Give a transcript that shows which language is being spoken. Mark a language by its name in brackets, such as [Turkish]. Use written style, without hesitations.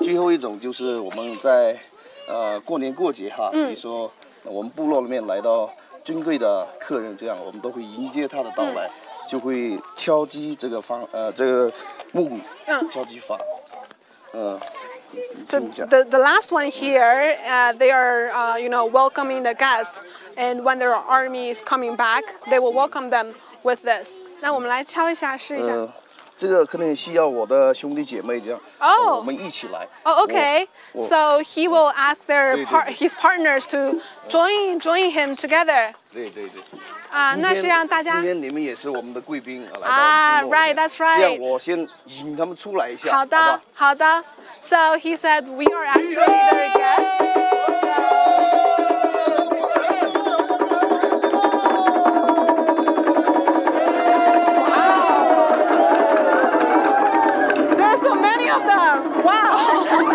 [Chinese] 最后一种就是我们在过年过节哈、比如说我们部落里面来到尊贵的客人这样我们都会迎接他的到来、就会敲击这个方这个木鼓敲击法。 [English] The last one here, they are, you know, welcoming the guests. And when their army is coming back, they will welcome them with this. [Chinese] 那我们来敲一下，试一下。这个可能需要我的兄弟姐妹这样。 Oh. 我们一起来。 [English] Oh, okay. So he will ask their his partners to join him together. [Chinese] 对。啊，那是让大家。今天你们也是我们的贵宾啊。啊 [English] ，right, that's right. [Chinese] 这样我先引他们出来一下。好的，好的。 [English] So he said, we are actually their guests. There are so many of them. Wow.